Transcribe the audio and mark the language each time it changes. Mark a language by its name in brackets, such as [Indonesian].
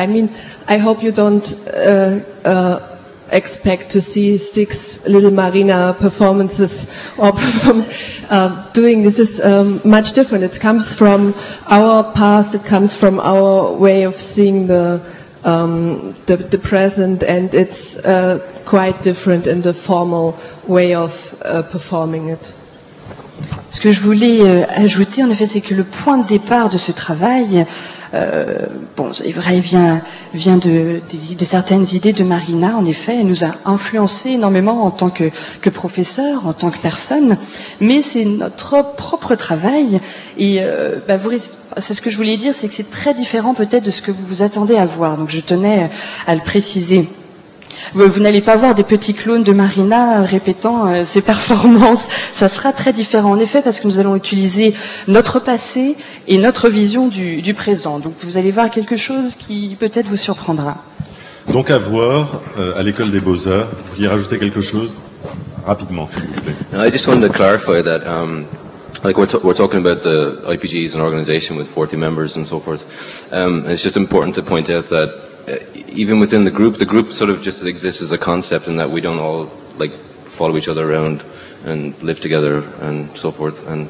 [English] I mean, I hope you don't expect to see six little Marina performances or doing this. Is much different. It comes from our past. It comes from our way of seeing the present, and it's quite different in the formal way of performing it. [French] Ce que je voulais ajouter, en effet, c'est que le point de départ de ce travail, bon, c'est vrai, vient de certaines idées de Marina, en effet, elle nous a influencé énormément en tant que professeur, en tant que personne, mais c'est notre propre travail, et c'est ce que je voulais dire, c'est que c'est très différent peut-être de ce que vous vous attendez à voir, donc je tenais à le préciser. Vous n'allez pas voir des petits clones de Marina répétant ses performances. Ça sera très différent, en effet, parce que nous allons utiliser notre passé et notre vision du présent. Donc vous allez voir quelque chose qui peut-être vous surprendra. Donc à voir à l'École des Beaux-Arts. Vous vouliez rajouter quelque chose rapidement, s'il vous plaît. [English] I just wanted to clarify that we're talking about the IPG as an organization with 40 members and so forth. It's just important to point out that even within the group sort of just exists as a concept, in that we don't all like follow each other around and live together and so forth.